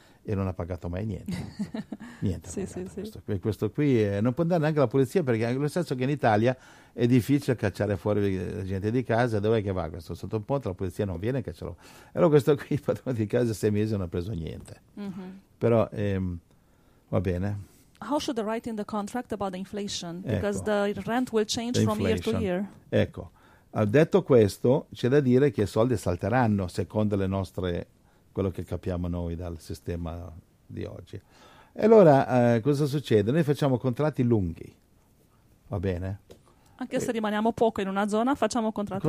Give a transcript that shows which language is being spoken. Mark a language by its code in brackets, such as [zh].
[it] E non ha pagato mai niente. Sì, pagato. Sì, questo qui non può andare neanche la polizia, perché nel senso che in Italia è difficile cacciare fuori la gente di casa. Dov'è che va questo? Sotto un ponte la polizia non viene a cacciarlo. Allora questo qui, il padrone di casa, 6 mesi non ha preso niente. Mm-hmm. Però va bene. [en] How should I write in the contract about the inflation? Because the rent will change from year to year. [it] Ecco, detto questo, c'è da dire che i soldi salteranno secondo le nostre... quello che capiamo noi dal sistema di oggi. E allora cosa succede? Noi facciamo contratti lunghi, va bene? Anche se rimaniamo poco in una zona, facciamo contratti